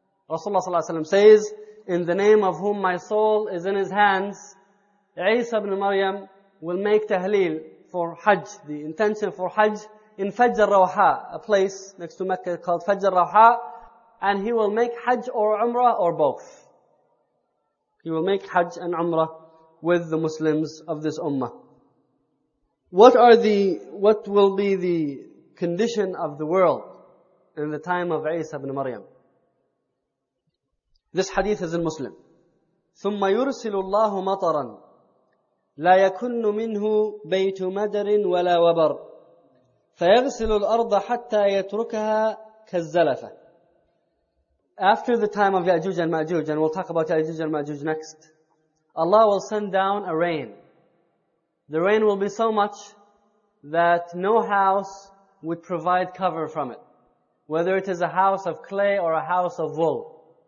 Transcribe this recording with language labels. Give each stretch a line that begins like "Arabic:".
English: Rasulullah sallallahu alayhi wa sallam says, in the name of whom my soul is in his hands, Isa ibn Maryam will make tahleel for hajj, the intention for hajj, in Fajr al-Rawha, a place next to Mecca called Fajr al-Rawha, and he will make hajj or umrah or both. He will make hajj and umrah with the Muslims of this ummah. What will be the condition of the world in the time of Isa ibn Maryam? This hadith is in Muslim.
Arabic: ثم يرسل الله مطرا لا يكن منه بيت مدر ولا وبر فيغسل الأرض حتى يتركها كالزلفة.
English: After the time of Ya'juj and Ma'juj, and we'll talk about Ya'juj and Ma'juj next, Allah will send down a rain. The rain will be so much that no house would provide cover from it, whether it is a house of clay or a house of wool.